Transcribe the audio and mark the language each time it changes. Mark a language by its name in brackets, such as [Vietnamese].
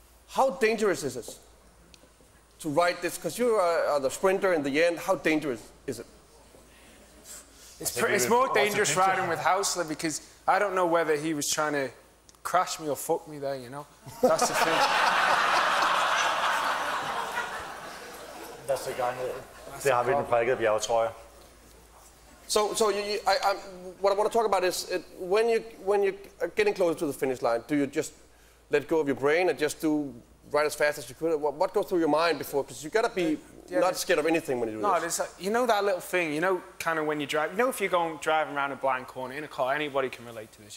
[English] How dangerous is this to ride this? Because you are the sprinter in the end. How dangerous is it? It's more dangerous riding with Hausler, because I don't know whether he was trying to crash me or fuck me there, you know? That's the thing. [Danish] Næste gang, det har vi den prikket bjergetrøje. [English] So, what I want to talk about is when you are getting closer to the finish line, do you just let go of your brain and just do right as fast as you could? What goes through your mind before? Because you gotta be not scared of anything when you do this. No, you know that little thing, you know, kind of when you drive. You know, if you're going driving around a blind corner in a car, anybody can relate to this.